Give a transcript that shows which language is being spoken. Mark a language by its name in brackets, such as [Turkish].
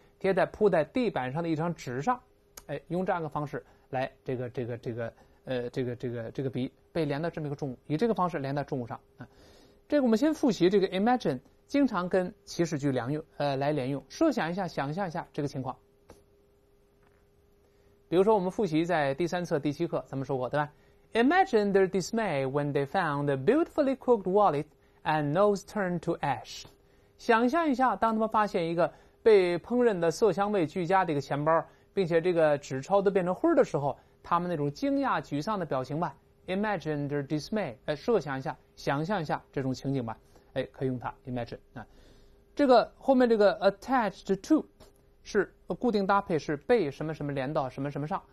[Chinese] 贴在铺在地板上的一张纸上。用这样的方式来这个笔被连到这么一个重物，以这个方式连到重物上啊。这个我们先复习这个 imagine， 经常跟祈使句来连用，设想一下，想象一下这个情况。比如说我们复习在第三册第七课咱们说过，对吧？ [English] Imagine their dismay when they found the beautifully cooked wallet and nose turned to ash. [Chinese] 想象一下，当他们发现一个被烹饪的色香味俱佳的一个钱包，并且这个纸钞都变成灰的时候，他们那种惊讶沮丧的表情吧。 [English] Imagine their dismay. [Chinese] 设想一下，想象一下这种情景吧。可以用它 imagine 啊。这个后面这个 [English] attached to [Chinese] 是固定搭配，是被什么什么连到什么什么上。